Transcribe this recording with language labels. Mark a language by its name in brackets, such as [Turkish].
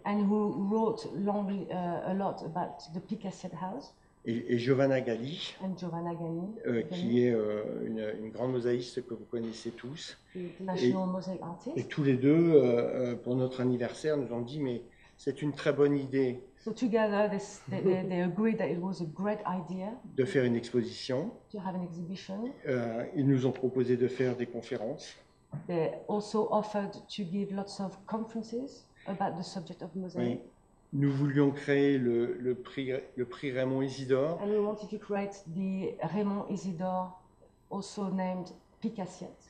[English] And who wrote a lot about the Picassiet House. [French] Et Giovanna Galli. [English] And Giovanna Galli. [French] Qui est une grande mosaïste que vous connaissez tous. [English] National mosaic artist. [French] Et tous les deux, pour notre anniversaire, nous ont dit, mais c'est une très bonne idée. [English] So together, they agreed that it was a great idea. [French] De faire une exposition. [English] To have an exhibition. [French] Ils nous ont proposé de faire des conférences. [English] They also offered to give lots of conferences. About the subject of mosaic. [French] Oui. Nous voulions créer le prix Raymond Isidore. [English] And we wanted to create the Raymond Isidore, also named Picassiet.